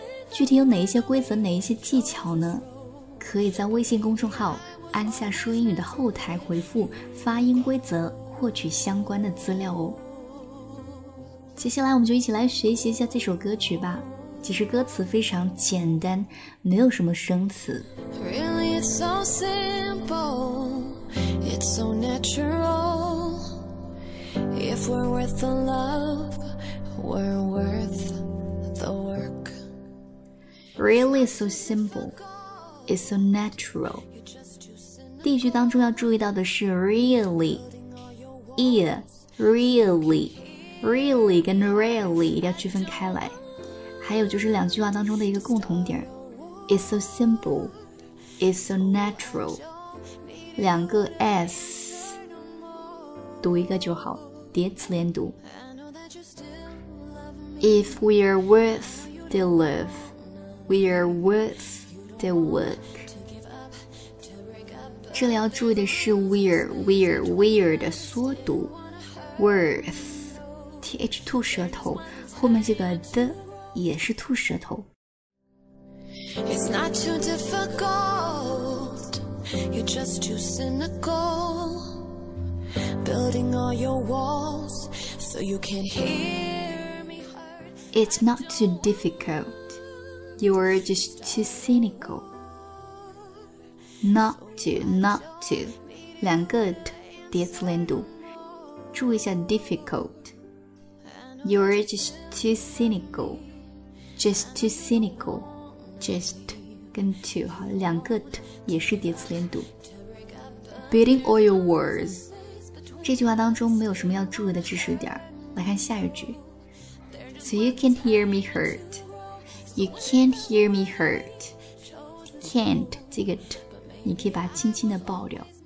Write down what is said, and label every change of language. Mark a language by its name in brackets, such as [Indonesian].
[Chinese] 具体有哪一些规则，哪一些技巧呢？可以在微信公众号安夏说英语的后台回复发音规则，获取相关的资料哦。接下来我们就一起来学习一下这首歌曲吧。其实歌词非常简单，没有什么生词。 [English] It's so simple, it's so natural. If we're worth the love, we're worth the work. Really so simple, it's so natural. [Chinese] 第一句当中要注意到的是 really, yeah, really, really 跟 really 要区分开来。还有就是两句话当中的一个共同点， it's so simple. [English] It's so natural. [Chinese] 两个 S 读一个就好，叠词连读。 [English] If we are worth the love, we are worth the work. [Chinese] 这里要注意的是 we're 的缩读 worth, th 吐舌头，后面这个 the 也是吐舌头。 [English] It's not too difficult, you're just too cynical, building all your walls so you can hear me hurt. It's not too difficult, you're just too cynical. [Chinese] Not too, 两个 t 叠词连读，注意一下 difficult. [English] You're just too cynical, just too cynical. [Chinese] Just 跟 to 哈，两个 t 也是叠词连读。 Beating all your words，这句话当中没有什么要注意的知识点。来看下一句 ， So you can hear me hurt， you can't hear me hurt， can't 这个 t 你可以把它轻轻的爆掉。